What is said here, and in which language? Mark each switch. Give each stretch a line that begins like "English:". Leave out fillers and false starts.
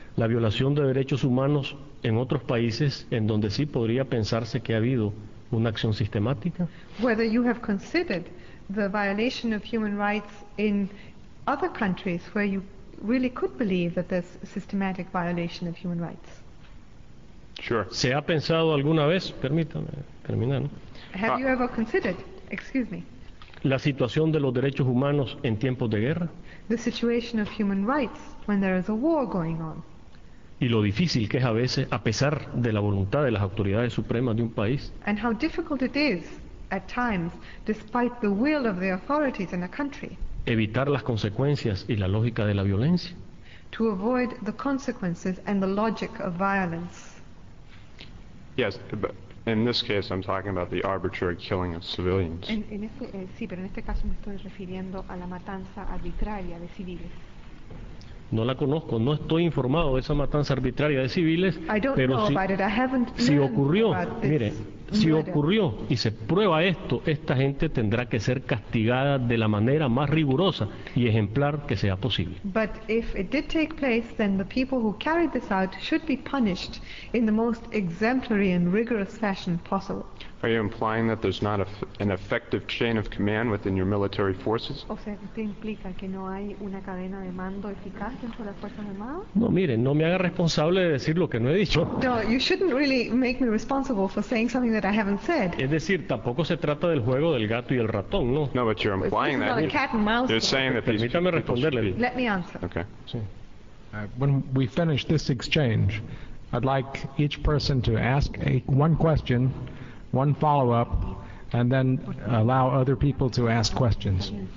Spanish: La violación de derechos humanos en otros países en donde sí podría pensarse que ha habido una acción sistemática.
English: Whether you have considered the violation of human rights in other countries where you really could believe that there's systematic violation of human rights. Sure.
Spanish: ¿Se ha pensado alguna vez? Permítame terminar, ¿no?
English: Have you ever considered, excuse me,
Spanish: la situación de los derechos humanos en tiempos de guerra?
English: The situation of human rights when there is a war going on.
Spanish: Y lo difícil que es a veces, a pesar de la voluntad de las autoridades supremas de un país.
English: And how difficult it is at times, despite the will of the authorities in a country.
Spanish: Evitar las consecuencias y la lógica de la violencia.
English: To avoid the consequences and the logic of violence. Yes, but in this case I'm talking about the arbitrary killing of civilians.
Spanish: Sí, pero en este caso me estoy refiriendo a la matanza arbitraria de civiles. No la conozco, no estoy informado de esa matanza arbitraria de civiles, pero si ocurrió, mire, si ocurrió y se prueba esto, esta gente tendrá que ser castigada de la manera más rigurosa y ejemplar que sea posible.
English: But if it did take place, then the people who carried this out should be punished in the most exemplary and rigorous fashion possible. Are you implying that there's not an effective chain of command within your military forces?
Spanish: O sea, ¿te implica que no hay una cadena de mando eficaz dentro de las fuerzas armadas? No, mire, no me haga responsable de decir lo que no he dicho.
English: No, you shouldn't really make me responsible for saying something that I haven't said.
Spanish: Es decir, tampoco se trata del juego del gato y el ratón, ¿no?
English: No, but you're implying that. It's not a cat and mouse. You're saying that.
Spanish: Permítame responderle.
English: Let me answer. Okay. When we finish this exchange, I'd like each person to ask one question, one follow-up, and then allow other people to ask questions.